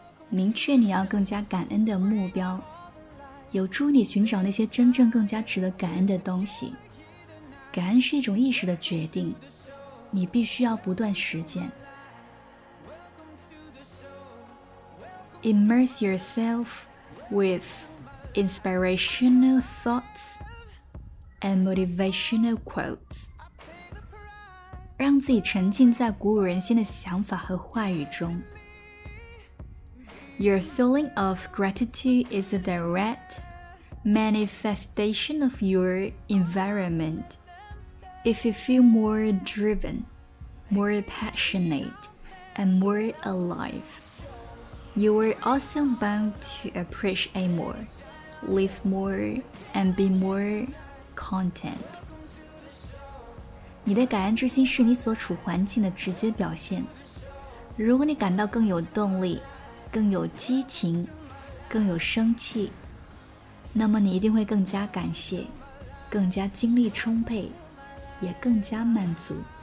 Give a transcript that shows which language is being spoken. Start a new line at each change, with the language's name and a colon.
Chinese: 明确你要更加感恩的目标，有助你寻找那些真正更加值得感恩的东西。感恩是一种意识的决定，你必须要不断实践。
English: Immerse yourself with inspirational thoughts and motivational quotes.
Chinese: 让自己沉浸在鼓舞人心的想法和话语中。
English: Your feeling of gratitude is a direct manifestation of your environment. If you feel more driven, more passionate, and more alive,You are also bound to appreciate more, live more, and be more content.
Chinese: 你的感恩之心是你所处环境的直接表现。如果你感到更有动力、更有激情、更有生气，那么你一定会更加感谢、更加精力充沛、也更加满足。